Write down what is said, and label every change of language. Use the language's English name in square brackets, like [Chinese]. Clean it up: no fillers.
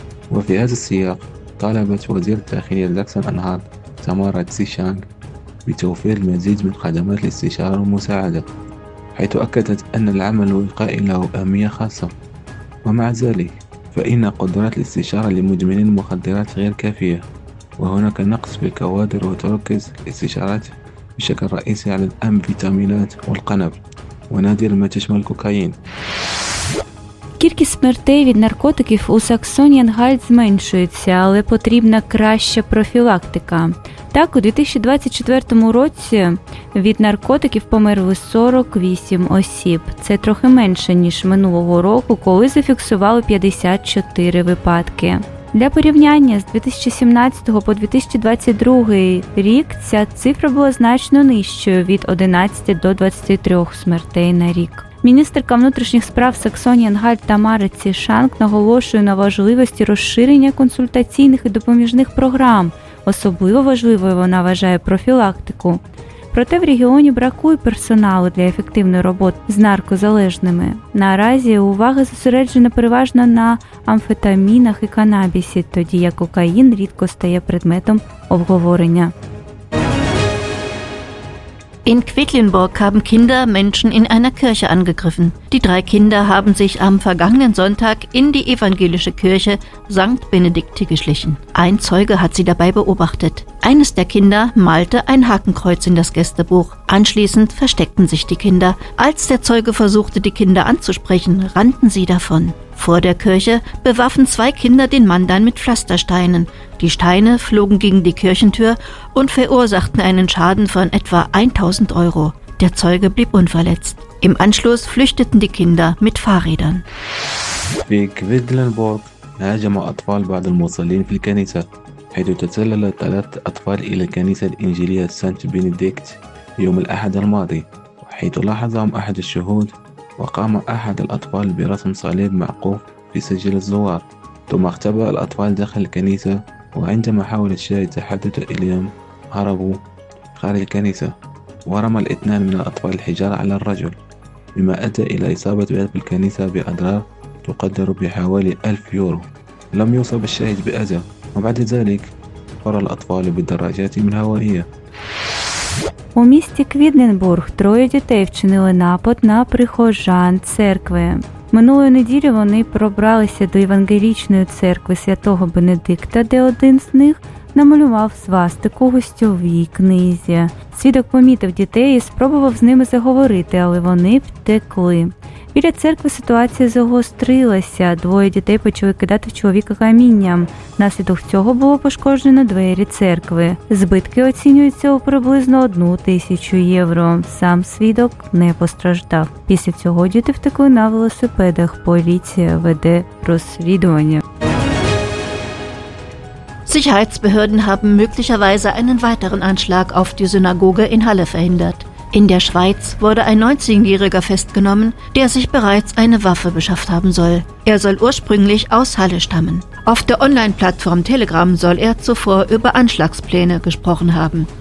[Arabic] وفي هذا السياق طالبت وزير الداخلية سachsen-Anhalt تمارا تسيشانغ بتوفير المزيد من خدمات الاستشارة والمساعدة حيث أكدت أن العمل الوقائي له أهمية خاصة ومع ذلك فإن قدرات الاستشارة لمدمني المخدرات غير كافية وهناك نقص في الكوادر وتركز الاستشارات بشكل رئيسي على الأمفيتامينات والقنب ونادر ما تشمل الكوكايين [Ukrainian] Кількість смертей від наркотиків у Саксоні-Анхальт зменшується, але потрібна краща профілактика. Так, у 2024 році від наркотиків померли 48 осіб. Це трохи менше, ніж минулого року, коли зафіксували 54 випадки. Для порівняння, з 2017 по 2022 рік ця цифра була значно нижчою від 11 до 23 смертей на рік. Міністерка внутрішніх справ Саксоні-Анхальт Тамара Цішанг наголошує на важливості розширення консультаційних і допоміжних програм. Особливо важливою вона вважає профілактику. Проте в регіоні бракує персоналу для ефективної роботи з наркозалежними. Наразі увага зосереджена переважно на амфетамінах і канабісі, тоді як кокаїн рідко стає предметом обговорення. [German] In Quedlinburg haben Kinder Menschen in einer Kirche angegriffen. Die drei Kinder haben sich am vergangenen Sonntag in die evangelische Kirche St. Benedikt geschlichen. Ein Zeuge hat sie dabei beobachtet. Eines der Kinder malte ein Hakenkreuz in das Gästebuch. Anschließend versteckten sich die Kinder. Als der Zeuge versuchte, die Kinder anzusprechen, rannten sie davon. Vor der Kirche bewaffen zwei Kinder den Mann dann mit Pflastersteinen. Die Steine flogen gegen die Kirchentür und verursachten einen Schaden von etwa 1000 Euro. Der Zeuge blieb unverletzt. Im Anschluss flüchteten die Kinder mit Fahrrädern. [Arabic] In Quedlinburg هاجموا أطفال بعض المصلين في الكنيسة حيث تسلل ثلاث أطفال إلى كنيسة الإنجيلية سانت بنديكت يوم الأحد الماضي حيث لاحظهم أحد الشهود وقام أحد الأطفال برسم صليب معقوف في سجل الزوار ثم اختبأ الأطفال داخل الكنيسة وعندما حاول الشاهد تحدث إليهم هربوا خارج الكنيسة ورمى الاثنان من الأطفال الحجارة على الرجل مما أدى إلى إصابة باب الكنيسة بأضرار تقدر بحوالي 1000 يورو لم يصب الشاهد بأذى وبعد ذلك فر الأطفال بالدراجات من هوائية [Ukrainian] У місті Квідненбург троє дітей вчинили напад на прихожан церкви. Минулої неділі вони пробралися до Євангелічної церкви Святого Бенедикта, де один з них намалював свастику гостьовій книзі. Свідок помітив дітей і спробував з ними заговорити, але вони втекли. Біля церкви ситуація загострилася. Двоє дітей почали кидати в чоловіка камінням. Наслідок цього було пошкоджено двері церкви. Збитки оцінюються у приблизно 1000 євро. Сам свідок не постраждав. Після цього діти втекли на велосипедах. Поліція веде розслідування. [German] Sicherheitsbehörden haben möglicherweise einen weiteren Anschlag auf die Synagoge in Halle verhindert. In der Schweiz wurde ein 19-Jähriger festgenommen, der sich bereits eine Waffe beschafft haben soll. Er soll ursprünglich aus Halle stammen. Auf der Online-Plattform Telegram soll er zuvor über Anschlagspläne gesprochen haben.